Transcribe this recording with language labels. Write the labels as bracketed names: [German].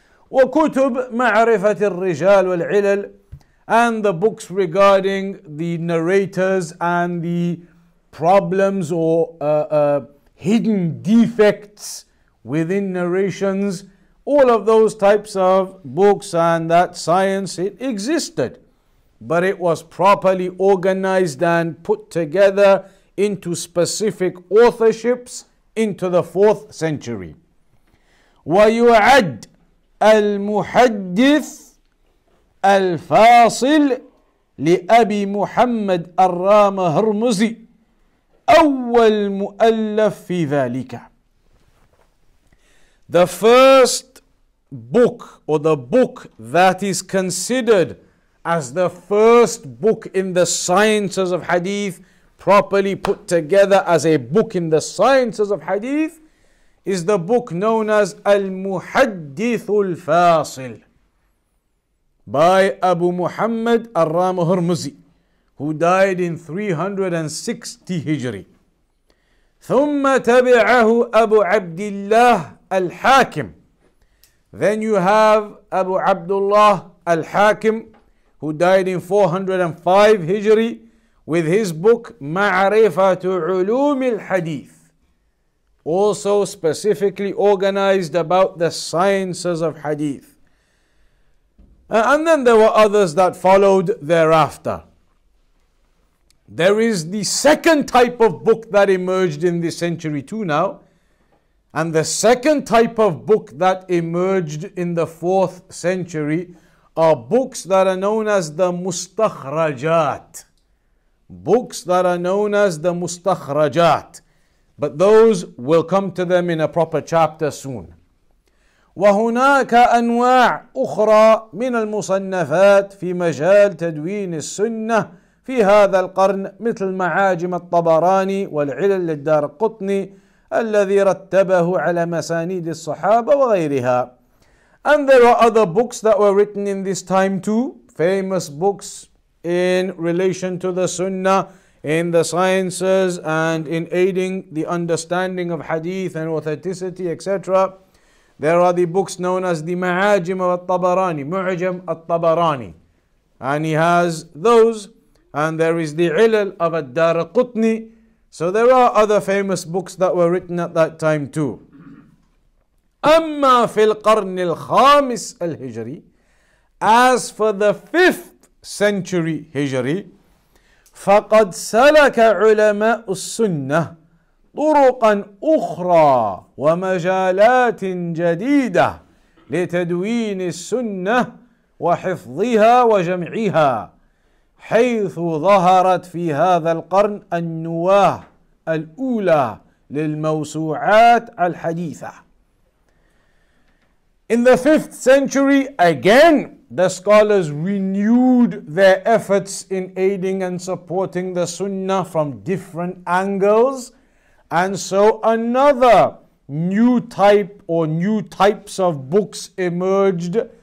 [English] Wa kutub ma'rifat ar-rijal wal-'ilal. And the books regarding the narrators and the problems or hidden defects within narrations. All of those types of books and that science, it existed. But it was properly organized and put together into specific authorships into the 4th century. [Arabic] وَيُعَدْ الْمُحَدِّثِ الفاصل لأبي محمد الرام هرمزي أول مؤلف في ذلك. [English] The first book, or the book that is considered as the first book in the sciences of hadith, properly put together as a book in the sciences of hadith, is the book known as المحدث الفاصل by Abu Muhammad Ar-Ram Hurmuzi, who died in 360 Hijri. [Arabic] ثُمَّ تَبِعَهُ أَبُو عَبْدِ اللَّهِ Al-Hakim. [English] Then you have Abu Abdullah Al-Hakim, who died in 405 Hijri, with his book مَعْرِفَةُ عُلُومِ الْحَدِيثِ, also specifically organized about the sciences of hadith. And then there were others that followed thereafter. There is the second type of book that emerged in this century too now. And the second type of book that emerged in the 4th century are books that are known as the Mustakhrajat. Books that are known as the Mustakhrajat. But those will come to them in a proper chapter soon. [Arabic] وهناك أنواع أخرى من المصنفات في مجال تدوين السنة في هذا القرن مثل معاجم الطبراني والعلل للدارقطني الذي رتبه على مسانيد الصحابة وغيرها. [English] And there are other books that were written in this time too, famous books in relation to the Sunnah, in the sciences, and in aiding the understanding of hadith and authenticity, etc. There are the books known as the Ma'ajim al-Tabarani, Mu'ajim al-Tabarani. And he has those. And there is the Ilal of al-Darqutni. So there are other famous books that were written at that time too. [Arabic] Amma fil qarn al-Khamis al-Hijri. [English] As for the 5th century Hijri, [Arabic] faqad salaka ulama'u sunnah طُرُقًا أُخْرَى وَمَجَالَاتٍ جَدِيدَةٍ لِتَدْوِينِ السُنَّةِ وَحِفْظِهَا وَجَمْعِهَا حَيْثُ ظَهَرَتْ فِي هَذَا الْقَرْنِ النُّوَاهُ الْأُولَى لِلْمَوْسُوعَاتِ الْحَدِيثَةِ. [English] In the 5th century, again, the scholars renewed their efforts in aiding and supporting the Sunnah from different angles. And so another new type or new types of books emerged